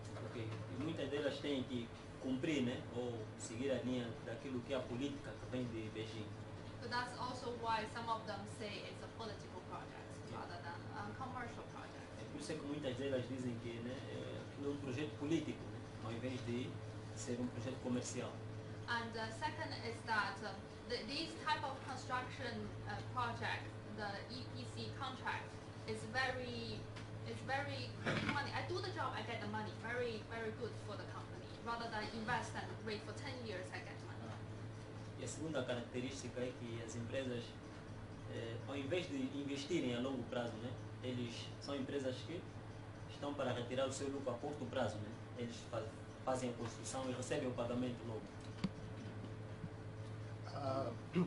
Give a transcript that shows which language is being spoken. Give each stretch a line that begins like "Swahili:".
Portuguese: Okay. E muitas delas têm que cumprir, né, ou seguir a linha daquilo que é a política que vem de Beijing.
English: But that's also why some of them say it's a political project, yeah, rather than a commercial project.
Portuguese: É por isso que muitas delas dizem que, né, é um projeto político, né, ao invés de ser um projeto comercial.
English: And the second is that this type of construction project, the EPC contract, is very money. I do the job, I get the money. Very, very good for the company. Rather than invest and wait for 10 years, I get money.
Portuguese: E a segunda característica é que as empresas, ao invés de investirem a longo prazo, né, eles são empresas que estão para retirar o seu lucro a curto prazo, né? Eles fazem a construção e recebem o pagamento logo.